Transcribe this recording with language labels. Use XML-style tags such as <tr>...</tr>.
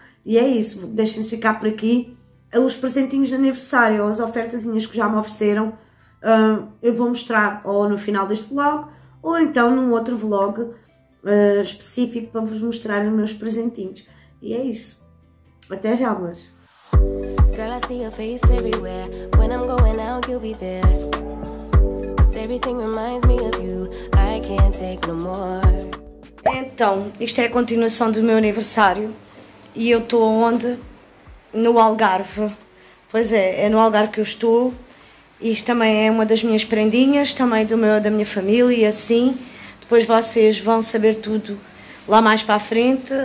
<pt>E é isso, deixem-se ficar por aqui. Os presentinhos de aniversário, as ofertazinhas que já me ofereceram, eu vou mostrar ou no final deste vlog, ou então num outro vlog específico para vos mostrar os meus presentinhos. E é isso. Até já, amores.</pt> <en>Girl, I see your face everywhere. When I'm going out, you'll be there. Cause everything reminds me of you. I can't take no more.</en> <pt>Então, isto é a continuação do meu aniversário. E eu estou onde? No Algarve. Pois é, é no Algarve que eu estou. Isto também é uma das minhas prendinhas, também da minha família, e assim. Depois vocês vão saber tudo lá mais para a frente.</pt>